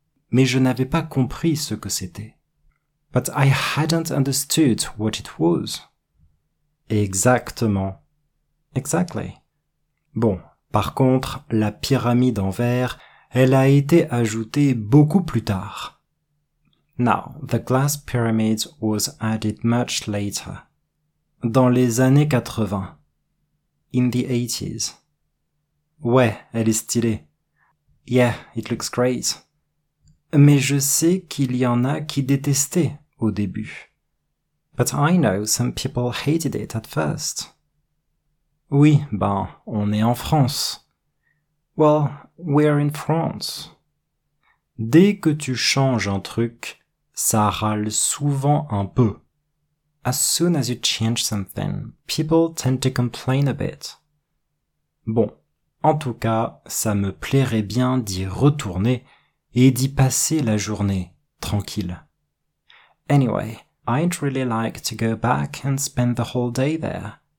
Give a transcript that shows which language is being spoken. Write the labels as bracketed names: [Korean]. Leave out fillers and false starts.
[French] Mais je n'avais pas compris ce que c'était. [English] But I hadn't understood what it was. [French] Exactement. [English] Exactly. [French] Bon, par contre, la pyramide en verre, elle a été ajoutée beaucoup plus tard. [English] Now, the glass pyramid was added much later. [French] Dans les années 80. [English] In the 80s. [French] Ouais, elle est stylée. [English] Yeah, it looks great. [French] Mais je sais qu'il y en a qui détestaient au début. [English] But I know some people hated it at first. [French] Oui, ben, on est en France. [English] Well, we're in France. [French] Dès que tu changes un truc, ça râle souvent un peu. [English] As soon as you change something, people tend to complain a bit. [French] Bon, en tout cas, ça me plairait bien d'y retourner et d'y passer la journée, tranquille. [English] Anyway, I'd really like to go back and spend the whole day there.